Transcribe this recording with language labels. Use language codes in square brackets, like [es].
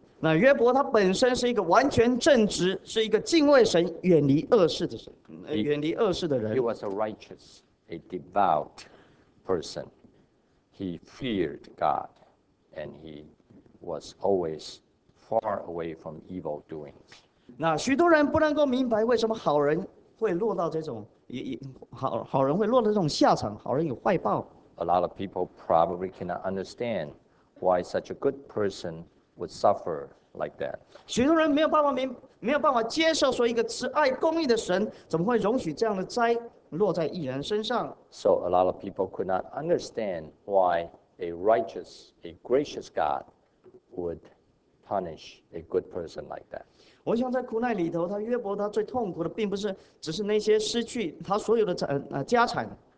[zh] 那约伯他本身是一个完全正直，是一个敬畏神、远离恶事的神。远离恶事的人。 [en] He was a righteous, a devout person. He feared God, and he was always far away from evil doings. [zh] 那许多人不能够明白为什么好人会落到这种好人会落到这种下场，好人有坏报。 [en] A lot of people probably cannot understand why such a good person would suffer like that. [zh] 许多人没有办法明。没有办法接受说一个慈爱公义的神怎么会容许这样的灾落在义人身上。 [en] So a lot of people could not understand why a righteous, a gracious God would punish a good person like that. [zh] 我想在苦难里头，他约伯他最痛苦的并不是只是那些失去他所有的家产。